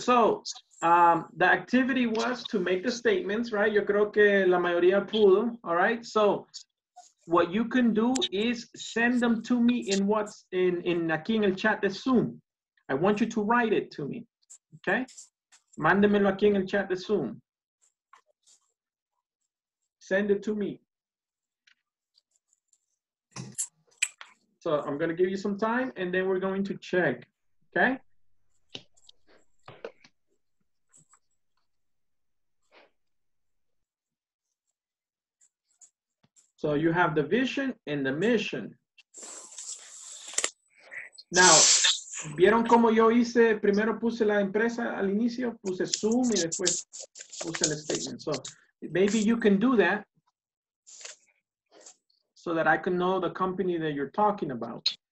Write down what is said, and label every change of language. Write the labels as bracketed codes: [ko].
[en] So, the activity was to make the statements, right? [es] Yo creo que la mayoría pudo, [en] all right? So, what you can do is send them to me in what's in [es] aquí en el chat de Zoom. [en] I want you to write it to me, okay? [es] Mándemelo aquí en el chat de Zoom. [en] Send it to me. So, I'm going to give you some time and then we're going to check, okay? So you have the vision and the mission. Now, [es] ¿vieron cómo yo hice? Primero puse la empresa al inicio, puse Zoom y después puse el statement. [en] So maybe you can do that so that I can know the company that you're talking about.